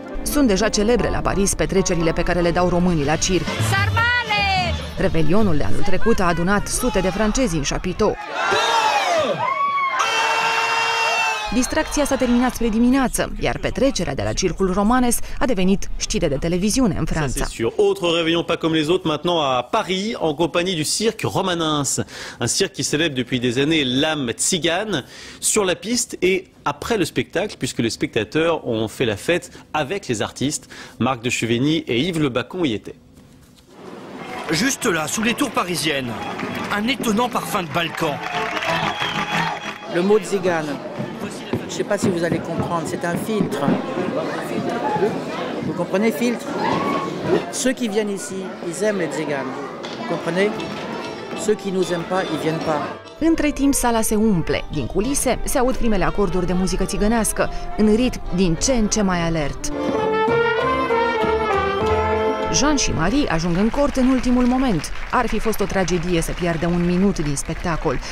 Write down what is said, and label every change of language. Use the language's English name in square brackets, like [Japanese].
[Romanian] Sunt deja celebre la Paris petrecerile pe care le dau românii la circ. Sarmale! Revelionul de anul trecut a adunat sute de francezi în chapiteau. Distracția s-a terminat spre dimineață, iar petrecerea de la Circul Romanes a devenit știre de televiziune în Franța. [French] Ça, c'est sûr. Autre réveillon pas comme les autres, maintenant à Paris, en compagnie du cirque Romanens, un cirque qui célèbre depuis des années l'âme tzigane sur la piste et après le spectacle, puisque les spectateurs ont fait la fête avec les artistes. Marc de Chevigny et Yves Le Bacon y étaient. Juste là, sous les tours parisiennes, un étonnant parfum de Balkan. Le mot tzigane. Je ne sais pas si vous allez comprendre, c'est un filtre. Vous comprenez, filtre? Ceux qui viennent ici, ils aiment les tziganes. Vous comprenez? Ceux qui nous aiment pas, ils viennent pas. [Romanian] Între timp, sala se umple. Din culise, se aud primele acorduri de muzică țigănească, în ritm din ce în ce mai alert. Jean și Marie ajung în cort în ultimul moment. Ar fi fost o tragedie să piardă un minut din spectacol.